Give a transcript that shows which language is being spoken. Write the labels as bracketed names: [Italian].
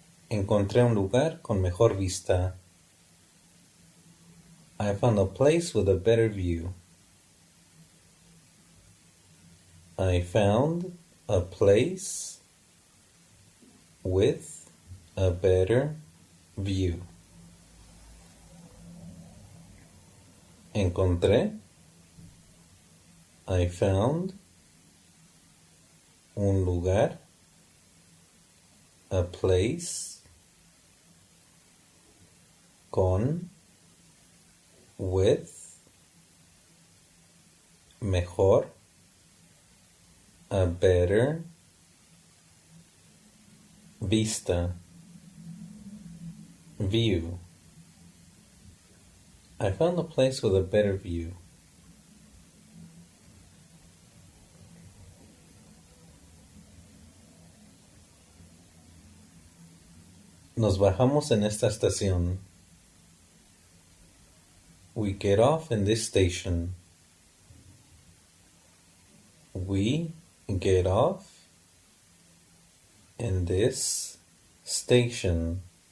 [Spanish] Encontré un lugar con mejor vista. [English] I found a place with a better view. I found a place with a better view. [Spanish] Encontré. [English] I found [Spanish] un lugar, [English] a place [Spanish] con, [English] with, [Spanish] mejor, [English] a better, [Spanish] vista, [English] view. I found a place with a better view. [Spanish] Nos bajamos en esta estación. [English] We get off in this station. We get off in this station.